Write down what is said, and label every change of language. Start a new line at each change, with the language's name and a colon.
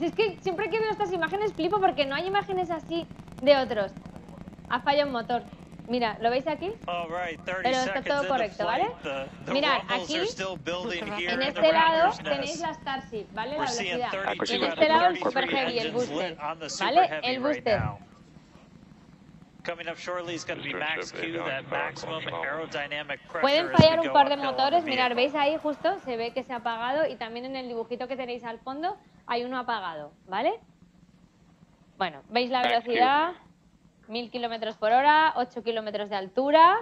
Spanish: Es que siempre que veo estas imágenes flipo porque no hay imágenes así de otros. Ha fallado un motor. Mira, ¿lo veis aquí? Pero está todo correcto, ¿vale? Mirad, aquí, en este lado, tenéis la Starship, ¿vale? La velocidad. Y en este lado, el Super Heavy, el booster. ¿Vale? El booster.
English: Coming up shortly is going to be max Q, that maximum aerodynamic pressure.
Spanish: Pueden fallar un par de motores. Mirad, veis ahí justo, se ve que se ha apagado y también en el dibujito que tenéis al fondo hay uno apagado, ¿vale? Bueno, veis la velocidad, 1000 kilómetros por hora, 8 kilómetros de altura.